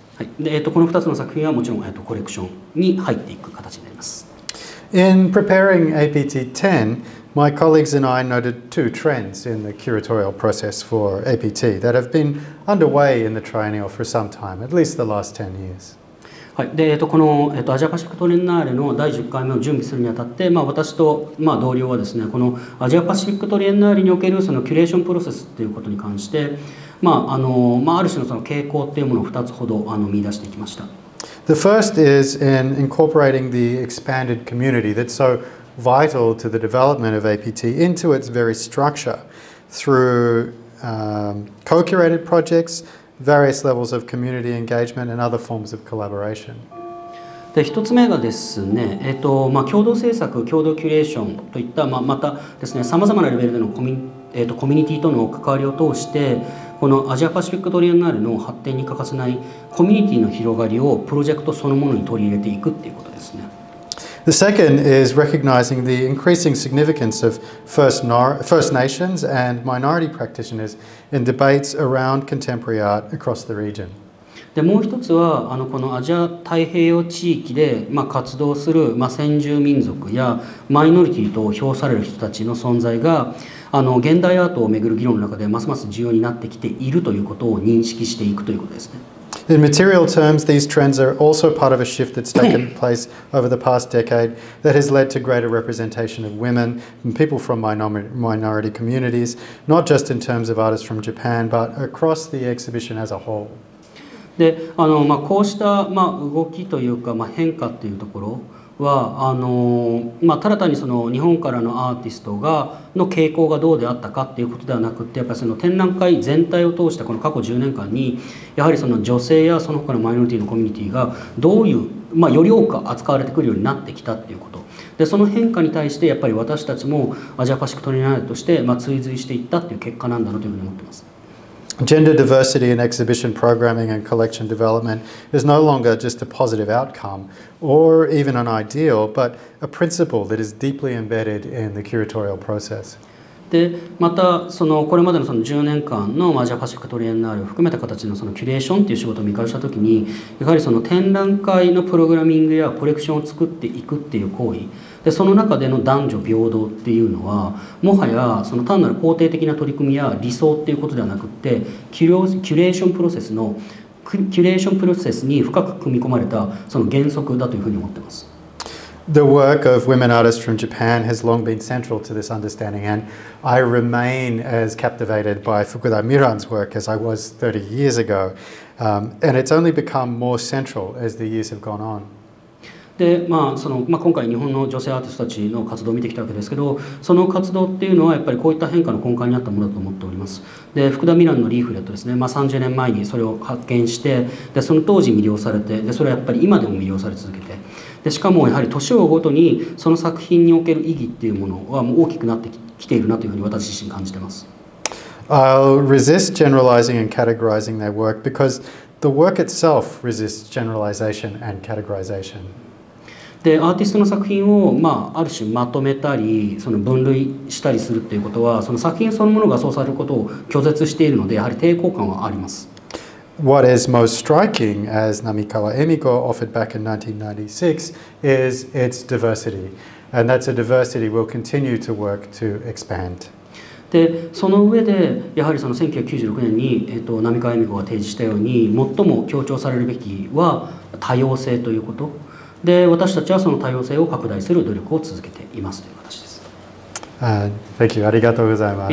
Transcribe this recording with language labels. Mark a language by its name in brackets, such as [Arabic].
[Japanese] この2つの作品はもちろん、コレクションに入っていく形になります。 [English] In preparing APT 10, my colleagues and I noted two trends in the curatorial process for APT that have been underway in the triennial for some time, at least the last 10 years. [Japanese] はい、でこの、アジアパシフィックトリエンナーレの第10回目を準備するにあたって、まあ、私と、まあ、同僚はですね、このアジアパシフィックトリエンナーレにおけるそのキュレーションプロセスということに関して、まあ、まあ、ある種 の, その傾向というものを2つほど見出していきました。 [English] The first is in incorporating the expanded community that's so vital to the development of APT into its very structure through co-curated projects. Various levels of community engagement and other forms of collaboration. [Japanese] で、一つ目がですね、まあ、共同制作、共同キュレーションといった、まあ、またですね、様々なレベルでのコミュニティとの関わりを通して、このアジアパシフィックトリエンナーレの発展に欠かせないコミュニティの広がりをプロジェクトそのものに取り入れていくっていうことですね。 [English] The second is recognizing the increasing significance of First Nations and minority practitioners in debates around contemporary art across the region. [Japanese] で、もう一つは、このアジア太平洋地域で、まあ、活動する、まあ、先住民族やマイノリティと評される人たちの存在が、現代アートをめぐる議論の中でますます重要になってきているということを認識していくということですね。 [English] In material terms, these trends are also part of a shift that's taken place over the past decade that has led to greater representation of women and people from minority communities, not just in terms of artists from Japan, but across the exhibition as a whole. [Japanese] で、まあ、こうした、まあ、動きというか、まあ、変化というところは、まあ、ただ単にその日本からのアーティストがの傾向がどうであったかということではなくて、やっぱりその展覧会全体を通したこの過去10年間に、やはりその女性やその他のマイノリティのコミュニティがどういう、まあ、より多く扱われてくるようになってきたということで、その変化に対してやっぱり私たちもアジアパシフィックトリエンナーレとして、まあ、追随していったという結果なんだろうというふうに思っています。 [English] Gender diversity in exhibition programming and collection development is no longer just a positive outcome or even an ideal, but a principle that is deeply embedded in the curatorial process. [Japanese] で、またそのこれまでのその10年間のアジアパシフィックトリエンナーレを含めた形のそのキュレーションという仕事を見返したときに、やはりその展覧会のプログラミングやコレクションを作っていくっていう行為で、その中での男女平等っていうのは、もはやその単なる肯定的な取り組みや理想っていうことではなくって、キュレーションプロセスのキュレーションプロセスに深く組み込まれたその原則だというふうに思ってます。 [English] The work of women artists from Japan has long been central to this understanding, and I remain as captivated by Fukuda Miran's work as I was 30 years ago. And it's only become more central as the years have gone on. [Japanese] で、まあまあ、今回日本の女性アーティストたちの活動を見てきたわけですけど、その活動っていうのはやっぱりこういった変化の根幹にあったものだと思っております。で、福田ミランのリーフレットですね、まあ、30年前にそれを発見して、でその当時魅了されて、でそれはやっぱり今でも魅了され続けて、でしかもやはり年をごとにその作品における意義っていうものはもう大きくなってきているなというふうに私自身感じてます。 [English] I'll resist generalizing and categorizing their work because the work itself resists generalization and categorization. [Japanese] で、アーティストの作品を、まあ、ある種まとめたり、その分類したりするということは、その作品そのものがそうされることを拒絶しているので、やはり抵抗感はあります。 [English] What is most striking, as Namikawa Emiko offered back in 1996, is its diversity. And that's a diversity we'll continue to work to expand. [Japanese] で、その上でやはりその1996年に、並川恵美子が提示したように、最も強調されるべきは多様性ということで、私たちはその多様性を拡大する努力を続けていますという形です。 [English] Thank you. [Japanese] ありがとうございます。